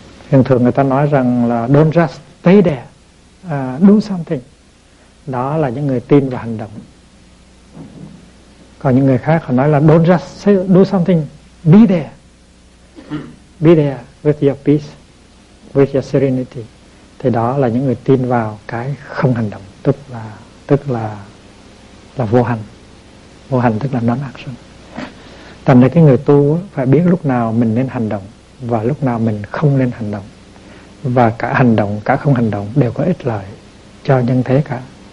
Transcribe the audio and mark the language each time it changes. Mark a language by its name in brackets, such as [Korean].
[Vietnamese] Thường thường người ta nói rằng là [English] don't just stay there, do something. [Vietnamese] Đó là những người tin vào hành động. Còn những người khác họ nói là [English] don't just say, do something, be there. Be there with your peace, with your serenity. [Vietnamese] Thì đó là những người tin vào cái không hành động, tức là vô hành. Vô hành tức là non-action. Thành ra cái người tu phải biết lúc nào mình nên hành động và lúc nào mình không nên hành động. Và cả hành động, cả không hành động đều có ích lợi cho nhân thế cả.